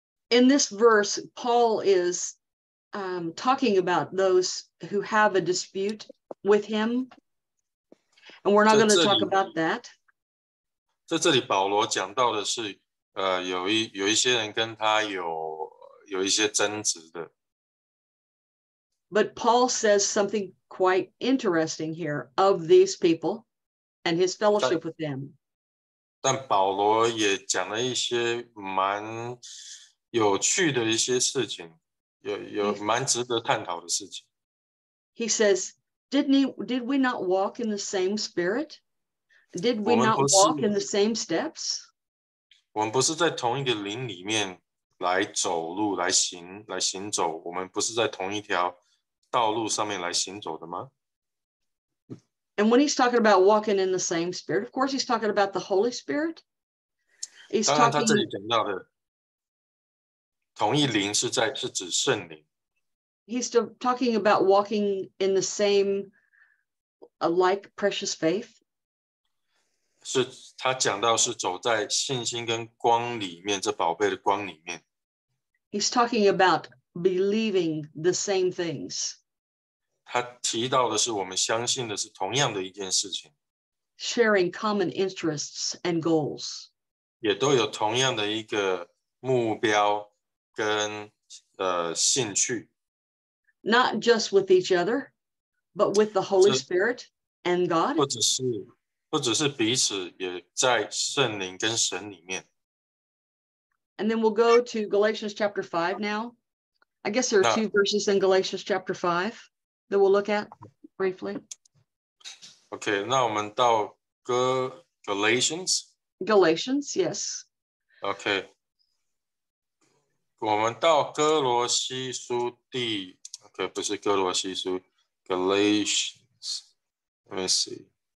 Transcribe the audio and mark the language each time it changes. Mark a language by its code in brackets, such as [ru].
[en] In this verse, Paul is talking about those who have a dispute with him. And we're not going to talk about that. [zh] 在这里保罗讲到的是有一些人跟他有一些争执的。 [en] But Paul says something quite interesting here of these people and his fellowship with them. [zh] 但保罗也讲了一些蛮有趣的一些事情，有蛮值得探讨的事情。 [en] He says, did we not walk in the same spirit? Did we not walk in the same steps? [zh] 我们不是在同一个灵里面来走路、来行走，我们不是在同一条道路上面来行走的吗？ [en] And when he's talking about walking in the same spirit, of course he's talking about the Holy Spirit. He's talking. [zh] 当然，他这里讲到的同一灵是指圣灵。 [en] He's still talking about walking in the same, like precious faith. [zh] 是他讲到是走在信心跟光里面，这宝贝的光里面。 [en] He's talking about believing the same things. [zh] 他提到的是我们相信的是同样的一件事情。 [en] Sharing common interests and goals. [zh] 也都有同样的一个目标跟兴趣。 [en] Not just with each other, but with the Holy Spirit and God. [zh] 不只是彼此，也在圣灵跟神里面。 [en] And then we'll go to Galatians chapter 5 now. I guess there are two verses in Galatians chapter 5 that we'll look at briefly. [zh] Okay, 那我们到Galatians? [en] Galatians, yes. [zh] Okay. 我们到哥罗西书第 okay, 不是哥罗西书 Galatians. [en] Let me see.